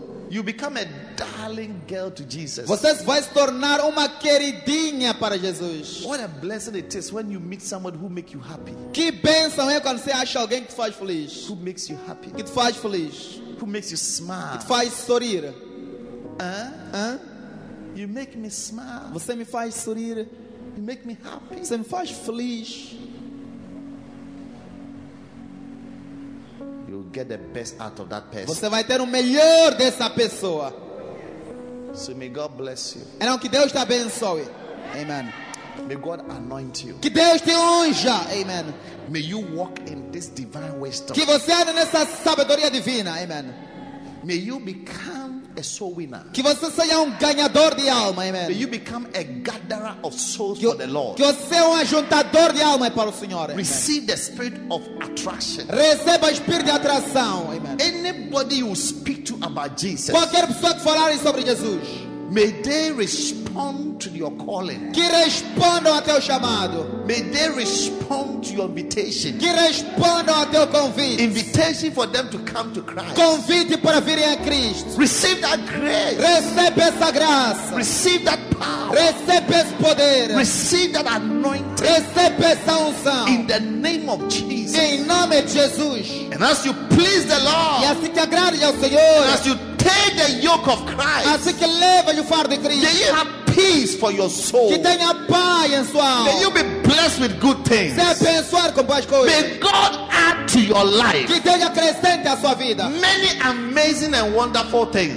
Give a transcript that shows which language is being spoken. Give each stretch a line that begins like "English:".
English: You become a darling girl to Jesus.
Portuguese: Você vai se tornar uma queridinha para Jesus.
English: What a blessing it is when you meet someone who makes you happy.
Portuguese: Que bênção é quando você acha alguém que te faz feliz.
English: Who makes you happy?
Portuguese: Que te faz feliz.
English: Who makes you smile?
Portuguese: Que te faz sorrir.
English: You make me smile.
Portuguese: Você me faz sorrir.
English: You make me happy.
Portuguese: Você me faz feliz.
English: You'll get the best out of that person.
Portuguese: Você vai ter o melhor dessa pessoa.
English: So may God bless you.
Portuguese: Então que Deus te abençoe.
English: Amen. May God anoint you.
Portuguese: Que Deus te unja. Amen.
English: May you walk in this divine wisdom.
Portuguese: Que você ande nessa sabedoria divina.
English: Amen. May you become a soul winner.
Portuguese: Que você seja ganhador de alma.
English: Amen. May you become a gatherer of souls for the Lord.
Portuguese: Que você seja juntador de alma para o Senhor.
English: Amen. Receive the spirit of attraction.
Portuguese: Receba o espírito de atração.
English: Amen. Anybody who speak to about Jesus.
Portuguese: Qualquer pessoa que falar sobre Jesus.
English: May they respond to your calling.
Portuguese: Que respondam a teu chamado.
English: May they respond to your invitation.
Portuguese: Que respondam a teu convite.
English: Invitation for them to come to Christ.
Portuguese: Convite para virem a Cristo.
English: Receive that grace.
Portuguese: Receba essa graça.
English: Receive that power.
Portuguese: Receba esse poder.
English: Receive that anointing.
Portuguese: Receba essa unção.
English: In the name of Jesus.
Portuguese: Em nome de Jesus.
English: And as you please the Lord.
Portuguese: E assim que agrade ao Senhor.
English: And as you take the yoke of Christ.
Portuguese: Assim que leva o fardo de Cristo.
English: May you have peace for your soul.
Portuguese: Que tenha paz em sua alma.
English: May you be blessed with good things.
Portuguese: Seja abençoado com boas coisas.
English: May God add to your life.
Portuguese: Que tenha crescente a sua vida.
English: Many amazing and wonderful things.